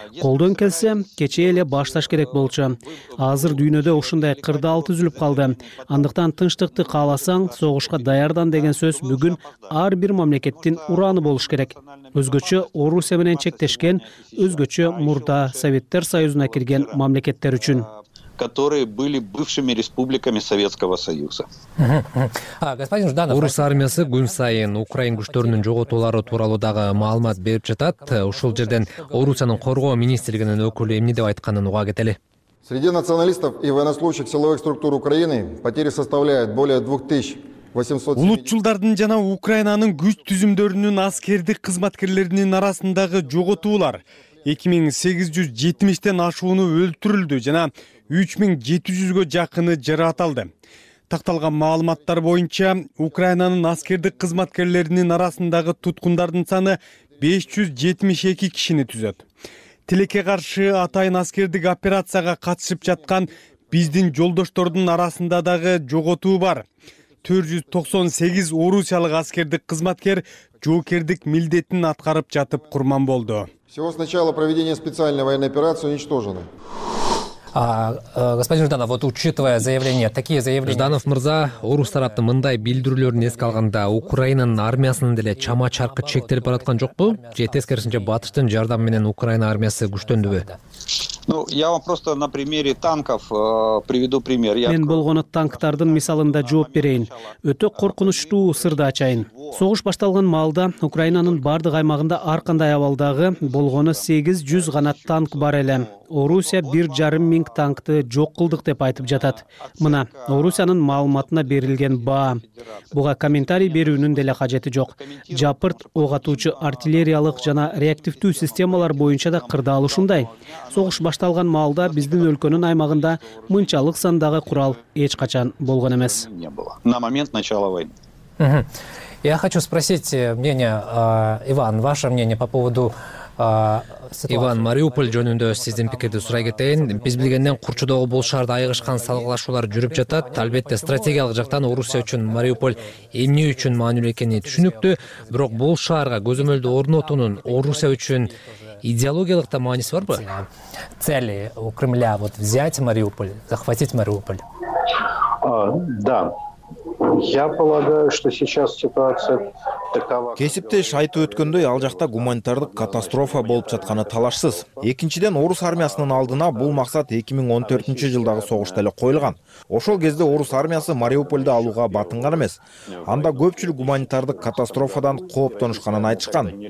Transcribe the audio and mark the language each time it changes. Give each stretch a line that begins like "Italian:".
Kyrgyz: Колдон келсе кечээ эле башташ керек болчу. Азыр дүйнөдө ушундай кырдаал түзүлүп калды. Андыктан тынчтыкты кааласаң согушка даярдан деген сөз бүгүн ар бир мамлекеттин ураны болуш керек. Өзгөчө Орусия менен чектешкен, өзгөчө мурда Советтер Союзуна кирген мамлекеттер үчүн,
Russian: которые были бывшими республиками Советского Союза. Господин Жданов,
Kyrgyz: орус армиясы күн сайын украин күчтөрүнүн жоготуулары тууралуу дагы маалымат берип жатат. Ушул жерден Орусиянын коргоо министрлигинин өкүлү эмне деп айтканын уга кетели.
Russian: Среди националистов и военнослужащих силовых структур Украины потери составляют более 2000.
Kyrgyz: Улутчулдардын жана Украинанын күч түзүмдөрүнүн аскердик кызматкерлеринин арасындагы жоготуулар 2870 ашууну өлтүрүлдү жана 3700 жакыны жараталды. Такталган маалыматтар боюнча Украинанын аскердик кызматкерлеринин арасындагы туткундардын саны 572 кишини түзөт. Тилекке каршы атайын аскердик операцияга катышып жаткан биздин жолдоштордун арасында дагы жоготуу бар. 498 орусиялык аскердик кызматкер жоокердик милдетин аткарып жатып курман болду.
Russian: Всего с начала проведения специальной военной операции уничтожены. Господин Жданов, учитывая заявления, такие заявления...
Kyrgyz: Жданов мырза, орус тараптын мындай билдирүүлөрүн эске алганда Украинанын армиясынын деле чама чаркы чектелип бараткан жокпу? Же тескерисинче батыштын жардамы менен Украина армиясы күчтөндүбү?
Russian: Я вам просто на примере танков приведу пример.
Kyrgyz: Мен болгону танктардын мисалында жооп берейин. Өтө коркунучтуу сырды ачайын. Согуш башталган маалда Украинанын бардык аймагында ар кандай абалдагы болгону 800 гана танк бар эле. Орусия 1,5 000 танкты жок кылдык деп айтып жатат. Мына Орусиянын маалыматына берилген баа. Буга комментарий берүүнүн деле кажети жок. Жапырт ок атуучу артиллериялык жана реактивдүү системалар боюнча да кырдаал ушундай. Согуш башталган маалда биздин өлкөнүн аймагында мынчалык сандагы курал эч качан болгон эмес.
Russian: На момент начала войны. Я хочу спросить мнение, Иван, ваше мнение по поводу
Kyrgyz: Иван, Мариуполь жөнүндө сиздин пикирди сурай кетейин. Биз билгенден курчудогу бул шаарда айгышкан салгылашуулар жүрүп жатат. Албетте, стратегиялык жактан Орусия үчүн Мариуполь эмне үчүн маанилүү экени түшүнүктүү, бирок бул шаарга көзөмөлдү орнотуунун Орусия үчүн идеологиялык да мааниси барбы?
Russian: Цели у Кремля взять Мариуполь, захватить Мариуполь. Да. Я полагаю, что сейчас ситуация такова.
Kyrgyz: Кесипте шайты өткөндөй ал жакта гуманитардык катастрофа болуп жатканы талашсыз. Экинчиден орус армиясынын алдына бул максат 2014 жылдагы согушта эле коюлган. Ошол кезде орус армиясы Мариуполду алууга батынган эмес. Анда көпчүлүк гуманитардык катастрофадан кооптонушканын айтышкан.